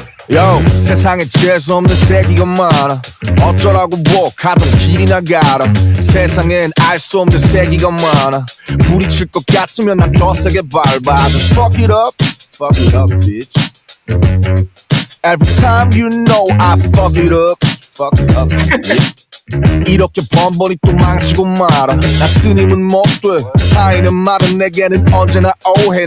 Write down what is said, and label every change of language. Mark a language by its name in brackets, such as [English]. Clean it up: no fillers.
[Korean] Yo, 세상에 재수 없는 새끼가 많아. 어쩌라고 뭐 가던 길이나 가라. 세상엔 알 수 없는 새끼가 많아. 부딪힐 것 같으면 난 더 세게 밟아. [English] Just fuck it up, bitch. Every time you know I fuck it up, bitch. [Korean] 이렇게 번번이 또 망치고 말아. 나 스님은 못 돼. 타인은 말은 내게는 언제나 오해.